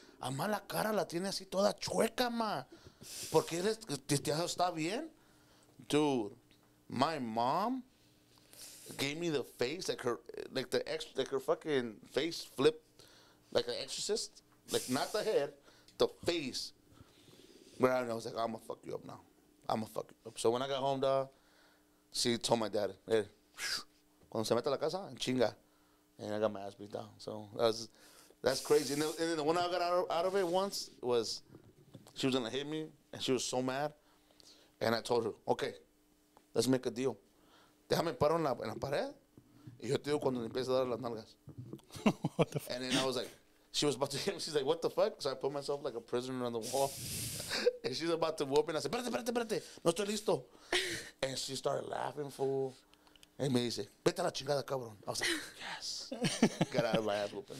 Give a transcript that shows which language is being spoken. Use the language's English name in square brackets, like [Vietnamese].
[Spanish] Ama, la cara la tiene así toda chueca, ma. ¿Por qué eres, te has estado bien? [English] Dude, my mom gave me the face, like her, like the ex, like her fucking face flipped, like an exorcist, like not the head, the face. Where I was like, I'ma fuck you up now, I'ma fuck you up. So when I got home, dog, she told my dad, hey, [Spanish] cuando se mete a la casa, chinga, [English] and I got my ass beat down. So that's crazy. And then the one I got out of it once was, she was gonna hit me, and she was so mad, and I told her, okay, let's make a deal. [Spanish] Déjame paro en la pared y yo te digo cuando empieza a dar las nalgas. [English] And then I was like, she was about to hit me. She's like, what the fuck? So I put myself like a prisoner on the wall. And she's about to whoop me. And I said, [Spanish] espérate, no estoy listo. [English] And she started laughing, fool. And [Spanish] me dice, vete a la chingada, cabrón. [English] I was like, yes. Got out of my ass whooping.